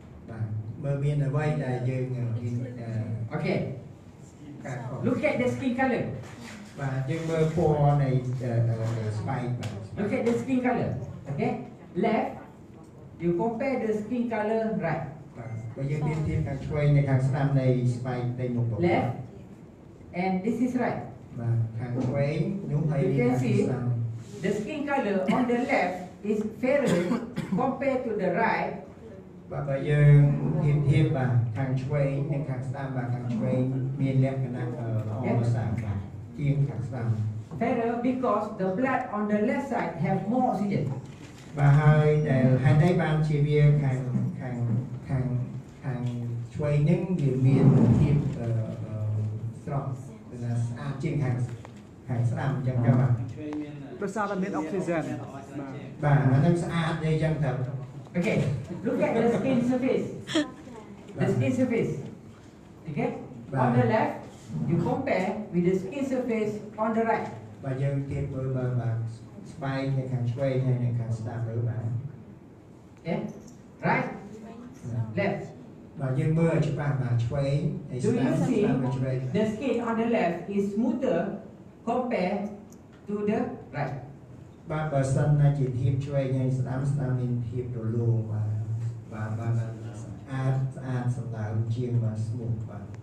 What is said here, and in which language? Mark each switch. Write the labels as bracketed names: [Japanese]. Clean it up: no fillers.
[Khmer] បាទមើលមានអ្វីដែលយើងមាន [English] okay look at the skin color [Khmer] បាទយើងមើលពណ៌នៃស្បែកបា [English] ទ look at the skin color okay leftYou compare the skin color right. [Khmer] បើយើងមានធៀបខាងឆ្វេងនិងខាងស្ដាំនៃស្បែកទៅមុខ [English] Left. And this is right. [Khmer] បាទខាងឆ្វេងខ្ញុំហើយ ខាងស្ដាំ [English] The skin color on the left is fairer compared to the right. [Khmer] បាទបើយើងធៀបបាទខាងឆ្វេងនិងខាងស្ដាំបាទខាងឆ្វេងមានលក្ខណៈល្អប្រសើរបាទជាងខាងស្ដាំ [English] Fairer because the blood on the left side have more oxygen. [Khmer] បាទហើយដែលហេតុអីបានជាវាខាងឆ្វេងនឹងវាមានភាពស្រស់ទៅណាស្អាតជាងខាងស្ដាំអញ្ចឹងបាទឆ្វេងមាន ប្រសើរតែមានអុកស៊ីសែន បាទហ្នឹងស្អាតតែអញ្ចឹងទៅអូ [English] ខេ look at the skin surface the skin surface okay on the left you compare with the skin surface on the right [Khmer] បាទយើងទៀតមើលបាទស្បែកនៅខាងឆ្វេងហើយនៅខាងស្ដាំឬបាទ [English] Okay right left [Khmer] បាទយើងមើលឲ្យច្បាស់បាទឆ្វេង ហើយស្ដាំស្ដាំឆ្វេង [English] The skin on the left is smoother compared to the right [Khmer] បាទបើសិនណាជាធៀបឆ្វេងហើយស្ដាំមានភាពរលោងបាទបាទបាទស្អាតសម្ដៅជាងបាទ smooth បាទ